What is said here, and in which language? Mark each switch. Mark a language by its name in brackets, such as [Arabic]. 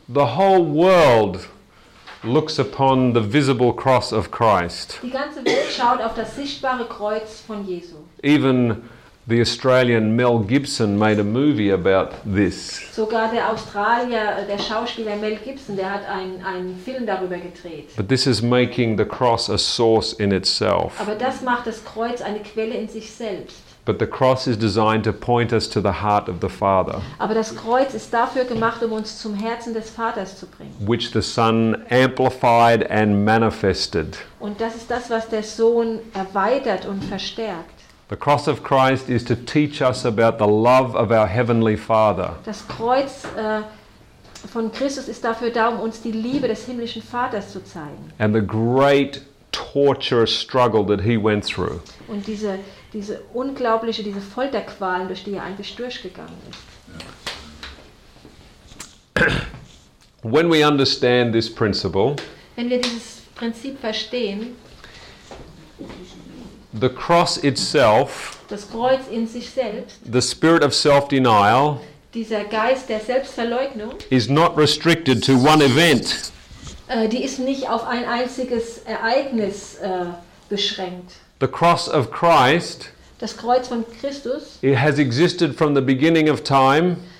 [English] The whole world looks upon the visible cross of Christ. [German] Die ganze Welt schaut auf das sichtbare Kreuz von Jesu. [English] Even the Australian Mel Gibson made a movie about this. [German] Sogar der Australier, der Schauspieler Mel Gibson, der hat einen Film darüber gedreht. [English] But this is making the cross a source in itself. [German] Aber das macht das Kreuz eine Quelle in sich selbst. [English] But the cross is designed to point us to the heart of the Father. [German] Aber das Kreuz ist dafür gemacht, um uns zum Herzen des Vaters zu bringen. [English] Which the Son amplified and manifested. [German] Und das ist das, was der Sohn erweitert und verstärkt. [English] The cross of Christ is to teach us about the love of our heavenly Father. [German] Das Kreuz von Christus ist dafür da, um uns die Liebe des himmlischen Vaters zu zeigen. [English] And the great torturous struggle that he went through. [German] Und diese unglaubliche, diese Folterqualen, durch die er eigentlich durchgegangen ist. [English] When we understand this principle, [German] wenn wir dieses Prinzip verstehen, [English] the cross itself, [German] das Kreuz in sich selbst, [English] the spirit of self-denial, [German] dieser Geist der Selbstverleugnung, [English] is not restricted to one event. [German] Die ist nicht auf ein einziges Ereignis beschränkt. [English] The cross of Christ, [German] das Kreuz von Christus, [English] it has existed from the beginning of time,